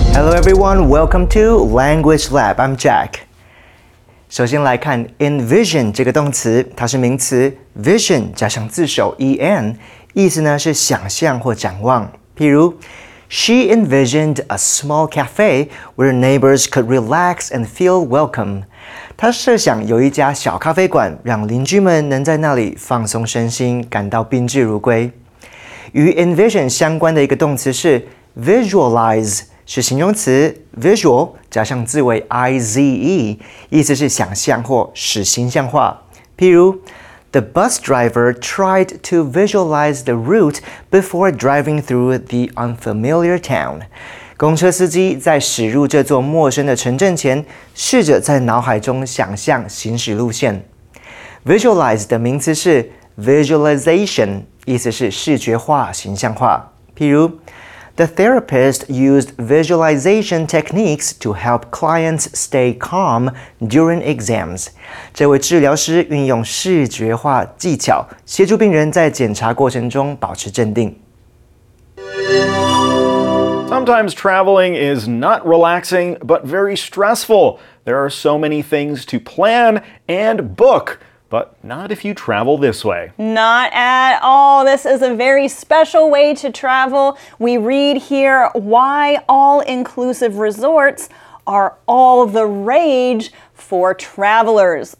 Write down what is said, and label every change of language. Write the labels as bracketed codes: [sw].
[en] Everyone, welcome to Language Lab. I'm Jack. [zh] 首先来看 envision 这个动词，它是名词 ，vision 加上自首 en， 意思呢是想象或展望。譬如 [en] ，She envisioned a small cafe where neighbors could relax and feel welcome. [zh] 她设想有一家小咖啡馆，让邻居们能在那里放松身心，感到宾至如归。与 envision 相关的一个动词是 visualize。是形容词 visual 加上字尾 ize， 意思是想象或使形象化。譬如 [en] ，The bus driver tried to visualize the route before driving through the unfamiliar town。 [zh] 公车司机在驶入这座陌生的城镇前，试着在脑海中想象行驶路线。 Visualize 的名词是 visualization， 意思是视觉化、形象化。譬如。 [en] The therapist used visualization techniques to help clients stay calm during exams. [zh] 这位治疗师运用视觉化技巧，协助病人在检查过程中保持镇定。 [en] Sometimes traveling is not relaxing, but very stressful. There are so many things to plan and book. But not if you travel this way. Not at all. This is a very special way to travel. We read here why all-inclusive resorts are all the rage for travelers.